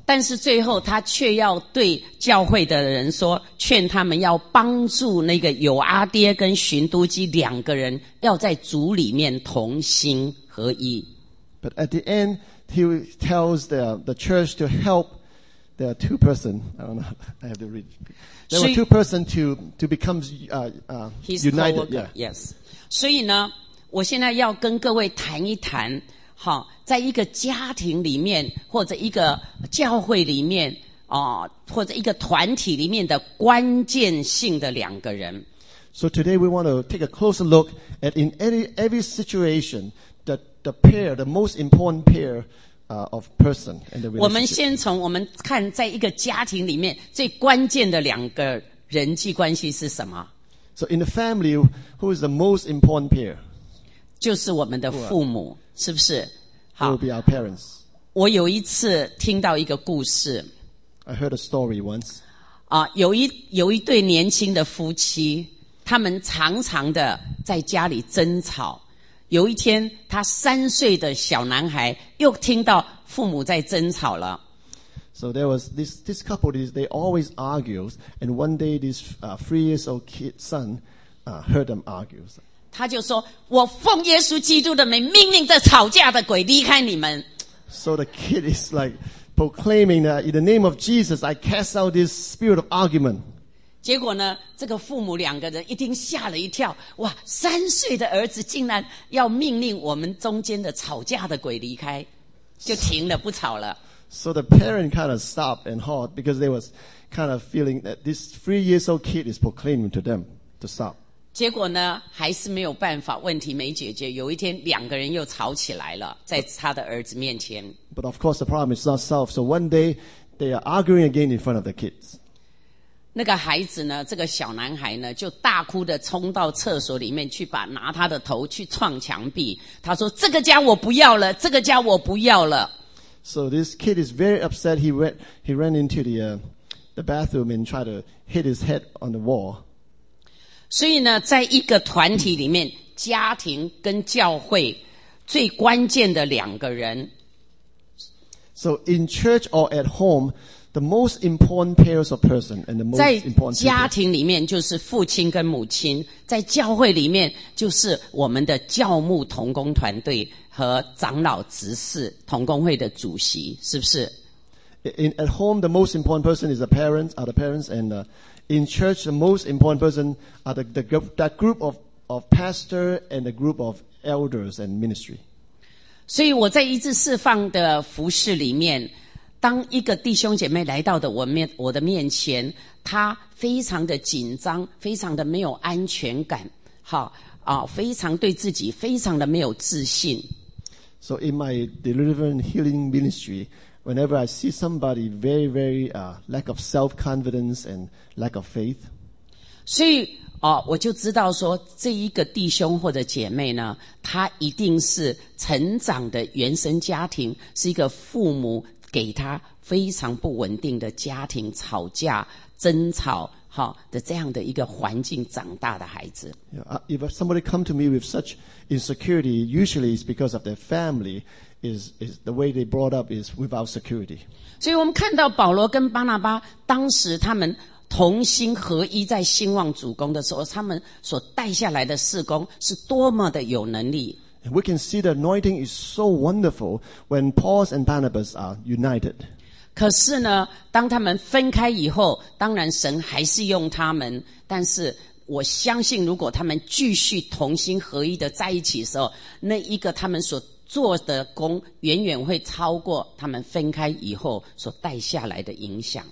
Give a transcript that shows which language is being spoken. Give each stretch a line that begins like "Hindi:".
Chinese: 但是最后他却要对教会的人说，劝他们要帮助那个有阿爹跟寻都基两个人要在主里面同心合意。
English: But at the end, he tells the church to helpThere are two persons, I don't know, I have to read. There were two persons to become united. His co-worker, yes.
Chinese: 所以呢，我现在要跟各位谈一谈，好，在一个家庭里面，或者一个教会里面，或者一个团体里面的关键性的两个人。
English: So today we want to take a closer look at in every situation, the pair, the most important pair,of person and the relationship.
Chinese: 我们先从我们看在一个家庭里面最关键的两个人际关系是什么。
English: So in the family, who is the most important pair?
Chinese: 就是我们的父母，是不是？
English: 好， will be our parents.
Chinese: 我有一次听到一个故事。
English: I heard a story once.
Chinese: 有一对年轻的夫妻，他们常常的在家里争吵。有一天，他三岁的小男孩又听到父母在争吵了。
English: So there was this couple, they always argue, and one day this three-year-old kid son heard them argue.
Chinese: 他就说：“我奉耶稣基督的名命令这吵架的鬼离开你们。
English: ”So the kid is like proclaiming that in the name of Jesus, I cast out this spirit of argument.
Chinese: 结果呢，这个父母两个人一听吓了一跳，哇，三岁的儿子竟然要命令我们中间的吵架的鬼离开，就停了，不吵了。
English: So the parent kind of stopped and halt because they was kind of feeling that this three-year-old kid is proclaiming to them to stop.
Chinese: 结果呢，还是没有办法，问题没解决。有一天，两个人又吵起来了，在他的儿子面前。
English: But of course, the problem is not solved. So one day, they are arguing again in front of the kids.
Chinese: 那个孩子呢，这个小男孩呢，就大哭的冲到厕所里面去，把拿他的头去撞墙壁。他说：“这个家我不要了，这个家我不要了。”
English: So this kid is very upset. He ran into the bathroom and tried to hit his head on the wall.
Chinese: 所以呢，在一个团体里面，家庭跟教会最关键的两个人。
English: So in church or at home. The most important pairs of person and the most important
Chinese: 在家庭里面就是父亲跟母亲，在教会里面就是我们的教牧同工团队和长老执事同工会的主席，是不是？
English: In at home, the most important person is the parents, are the parents, and in church, the most important person are the group of pastor and the group of elders and ministry.
Chinese: 所以我在一直释放的服事里面。当一个弟兄姐妹来到的我的面前，他非常的紧张，非常的没有安全感，好啊，非常对自己非常的没有自信。
English: So in my delivery and healing ministry, whenever I see somebody very, very lack of self-confidence and lack of faith,
Chinese: 所以啊，我就知道说这一个弟兄或者姐妹呢，他一定是成长的原生家庭是一个父母。给他非常不稳定的家庭吵架争吵好的这样的一个环境长大的孩子。
English: If somebody come to me with such insecurity, usually it's because of their family is the way they brought up is without security.
Chinese: 所以我们看到保罗跟巴拿巴当时他们同心合一在兴旺主工的时候，他们所带下来的事工是多么的有能力。
English: We can see the anointing is so wonderful when Paul and Barnabas are united.
Chinese: 可是呢，当他们分开以后，当然神还是用他们。但是我相信，如果他们继续同心合一的在一起的时候，那一个他们所做的工远远会超过他们分开以后所带下来的影响。